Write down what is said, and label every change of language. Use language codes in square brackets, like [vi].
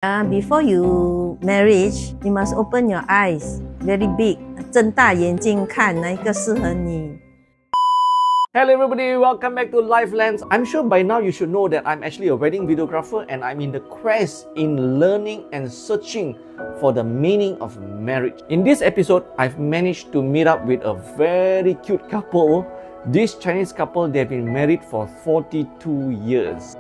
[en] Before you marriage, you must open your eyes very big. [zh] 睁大眼睛看哪一个适合你。 [en] Hello everybody, welcome back to LifeLens. I'm sure by now you should know that I'm actually a wedding videographer and I'm in the quest in learning and searching for the meaning of marriage. In this episode, I've managed to meet up with a very cute couple. This Chinese couple, they've been married for 42 years.